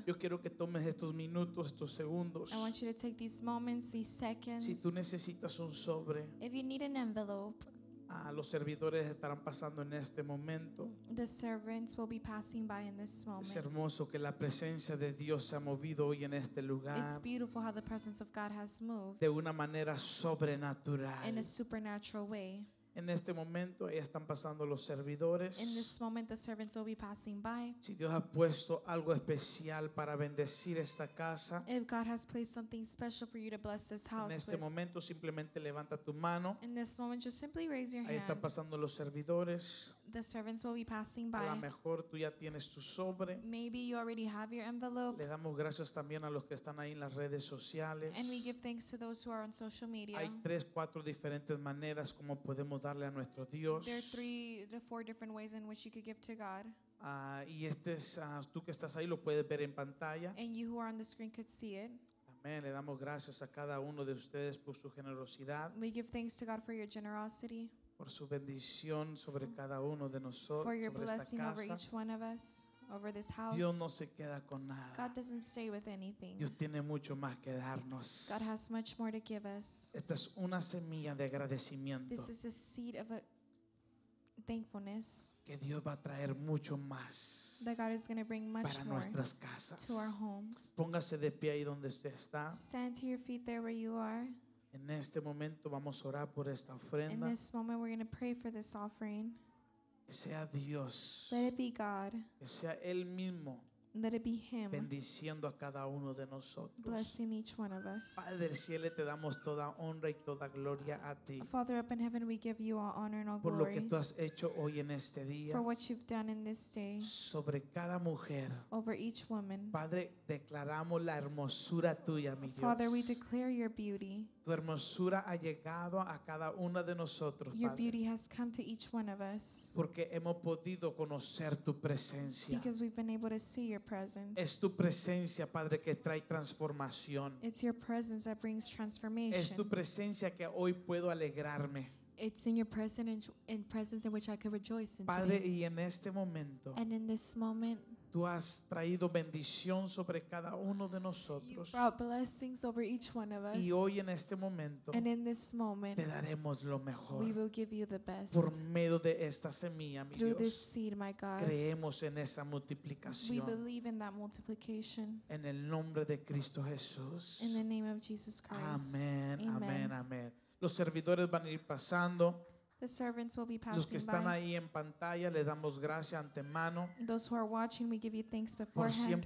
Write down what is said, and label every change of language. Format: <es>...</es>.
<es>Yo quiero que tomes estos minutos, estos segundos.</es> <en>I want you to take these moments, these seconds.</en> <es>Si tú necesitas un sobre.</es> <en>If you need an envelope.</en> <es>Ah, los servidores estarán pasando en este momento.</es> <en>The servants will be passing by in this moment.</en> <es>Es hermoso que la presencia de Dios se ha movido hoy en este lugar.</es> <en>It's beautiful how the presence of God has moved.</en> <es>De una manera sobrenatural.</es> <en>In a supernatural way.</en> <es>En este momento ahí están pasando los servidores.</es> <en>In this moment the servants will be passing by.</en> <es>Si Dios ha puesto algo especial para bendecir esta casa.</es> <en>If God has placed something special for you to bless this house.</en> <es>En este momento simplemente levanta tu mano.</es> <en>In this moment just simply raise your hand.</en> <es>Ahí están pasando los servidores.</es> <en>The servants will be passing by.</en> <es>A lo mejor tú ya tienes tu sobre.</es> <en>Maybe you already have your envelope.</en> <es>Le damos gracias también a los que están ahí en las redes sociales.</es> <en>And we give thanks to those who are on social media.</en> <es>Hay 3-4 diferentes maneras como podemos darle a nuestro Dios.</es> <en>There are 3-4 different ways in which you could give to God.</en> <es>Y este es tú que estás ahí lo puedes ver en pantalla.</es> <en>And you who are on the screen could see it.</en> <es>Amén. Le damos gracias a cada uno de ustedes por su generosidad.</es> <en>We give thanks to God for your generosity.</en> <es>Por su bendición sobre cada uno de nosotros.</es> <en>For your</en> <es>sobre</es> <en>blessing</en> <es>esta casa.</es> <en>Over each one of us. Over this house.</en> <es>Dios no se queda con nada.</es> <en>God doesn't stay with anything.</en> <es>Dios tiene mucho más que darnos.</es> <en>God has much more to give us.</en> <es>Esta es una semilla de agradecimiento.</es> <en>This is a seed of a thankfulness.</en> <es>Que Dios va a traer mucho más.</es> <en>That God is going to bring much</en> <es>para nuestras casas.</es> <en>To our homes.</en> <es>Póngase de pie ahí donde usted está.</es> <en>Stand to your feet there where you are.</en> <es>En este momento vamos a orar por esta ofrenda.</es> <en>In this moment we're going to pray for this offering.</en> <es>Que sea Dios.</es> <en>Let it be God.</en> <es>Que sea Él mismo.</es> <en>Let it be Him.</en> <es>Bendiciendo a cada uno de nosotros.</es> <en>Blessing each one of us.</en> <es>Padre del cielo, te damos toda honra y toda gloria a ti.</es> <en>Father up in heaven, we give you all honor and all glory.</en> <es>Por lo que tú has hecho hoy en este día.</es> <en>For what you've done in this day.</en> <es>Sobre cada mujer.</es> <en>Over each woman.</en> <es>Padre, declaramos la hermosura tuya, mi Dios.</es> <en>Father, we declare your beauty.</en> <es>Tu hermosura ha llegado a cada una de nosotros,</es> <en>your</en> <es>Padre.</es> <en>Beauty has come to each one of us.</en> <es>Porque hemos podido conocer tu presencia.</es> <en>Because we've been able to see your presence.</en> <es>Es tu presencia, Padre, que trae transformación.</es> <en>It's your presence that brings transformation.</en> <es>Es tu presencia que hoy puedo alegrarme.</es> <en>It's in your presence, in presence in which I can rejoice in.</en> <es>Padre, y en este momento.</es> <en>And in this moment.</en> <es>Tú has traído bendición sobre cada uno de nosotros.</es> <en>You brought blessings over each one of us.</en> <es>Y hoy en este momento.</es> <en>And in this moment.</en> <es>Te daremos lo mejor.</es> <en>We will give you the best.</en> <es>Por medio de esta semilla, mi</es> <en>through Through this seed, my God.</en> <es>Creemos en esa multiplicación.</es> <en>We believe in that multiplication.</en> <es>En el nombre de Cristo Jesús.</es> <en>In the name of Jesus Christ.</en> <es>Amén, amén, amén. Los servidores van a ir pasando.</es> <en>The servants will be passing by.</en> <es>Los que están ahí en pantalla, le damos gracias antemano.</es> <en>Those who are watching, we give you thanks beforehand.</en>